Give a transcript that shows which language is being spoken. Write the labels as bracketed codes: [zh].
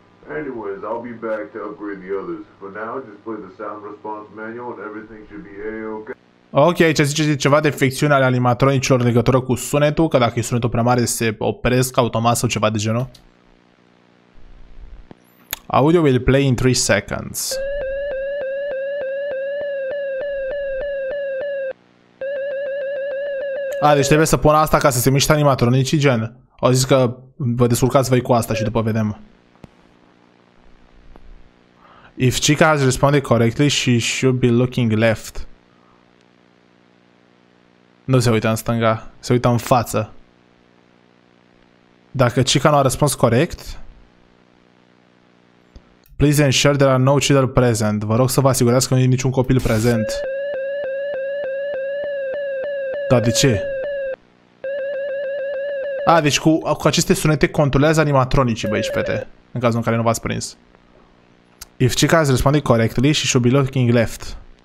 [en] Anyways, I'll be back to upgrade the others. For now, just play the sound response manual and everything should be A-OK. [ro] Ok, aici zice ceva de ficțiune ale animatronicilor în legătură cu sunetul, că dacă e sunetul prea mare se opresc automat sau ceva de genul. [en] Audio will play in 3 seconds. [ro] A, deci trebuie să pun asta ca să se miște animatronicii, gen. Au zis că vă descurcați voi cu asta și după vedem. [en] If Chica has responded correctly, she should be looking left. [ro] Nu se uită în stânga, se uită în față. Dacă Chica nu a răspuns corect, [en] please ensure there are no children present. [ro] Vă rog să vă asigurați că nu e niciun copil prezent. Dar de ce? A, deci cu aceste sunete controlează animatronicii, băi și fete, în cazul în care nu v-ați prins. [en] If Chica has responded correctly, she should be looking left.